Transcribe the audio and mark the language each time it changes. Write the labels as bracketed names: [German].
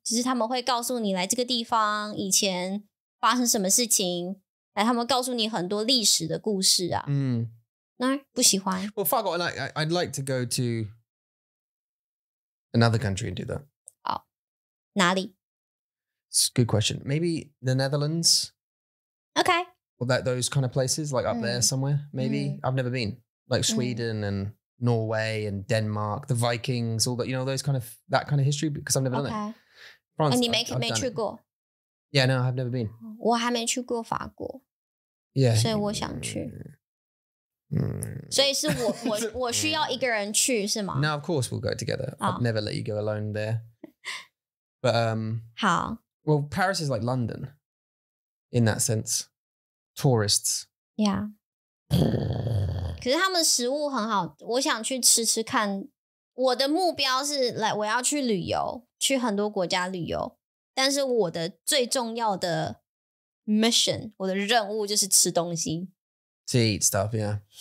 [Chinese] 就是他们会告诉你来这个地方以前。发生什么事情来他们告诉你很多历史的故事啊。嗯。那不喜欢。 [English] Well, fuck off, I'd like to go to another country and do that. [Chinese] 好。哪里 [English] It's a good question. Maybe the Netherlands? Okay. Well, those kind of places, like up there somewhere, maybe? I've never been. Like Sweden and Norway and Denmark, the Vikings, all that, you know, those kind of, that kind of history, because I've never done it. France, and you may try go. Yeah, no, I've never been. [Chinese] 我还没去过法国。 [English] Yeah. [Chinese] 所以我想去。嗯。所以是我需要一个人去是吗 [English] ？No, of course we'll go together. I'll never let you go alone there. But [Chinese] 好。 [English] Well, Paris is like London, in that sense, tourists. Yeah. [Chinese] 可是他们食物很好，我想去吃吃看。我的目标是来，我要去旅游，去很多国家旅游。但是我的最重要的 mission， 我的任务就是吃东西。 [English] To eat stuff, yeah.